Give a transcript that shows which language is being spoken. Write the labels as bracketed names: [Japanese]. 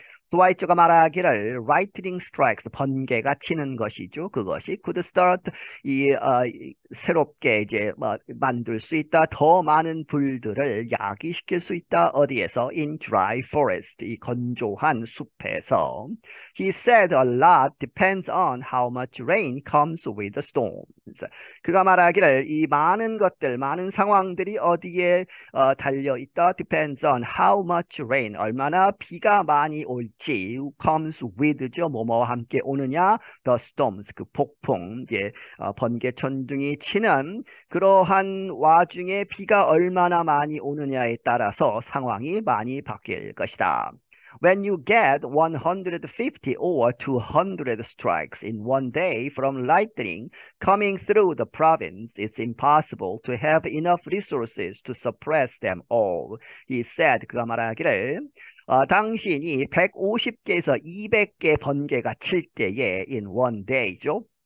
[Korean] 스와이처가 말하기를 라이트닝 스트라이크 번개가 치는 것이죠. 그것이 [English] could start [Korean] 새롭게 이제 만들 수 있다. 더 많은 불들을 야기시킬 수 있다. 어디에서? [English] In dry forest [Korean] 이 건조한 숲에서. [English] He said a lot depends on how much rain comes with the storms. [Korean] 그가 말하기를 이 많은 것들, 많은 상황들이 어디에 달려 있다. [English] Depends on how much rain [Korean] 얼마나 비가 많이 올지. [English] comes with [Korean] 죠. 뭐뭐와 함께 오느냐? [English] The storms, [Korean] 그 폭풍, 예, 번개 천둥이 치는 그러한 와중에 비가 얼마나 많이 오느냐에 따라서 상황이 많이 바뀔 것이다. [English] When you get 150 or 200 strikes in one day from lightning coming through the province, it's impossible to have enough resources to suppress them all. He said, [Korean] 그가 말하기를 당신이 150개에서 200개 번개가 칠 때에 [English] in one day [Korean] 죠.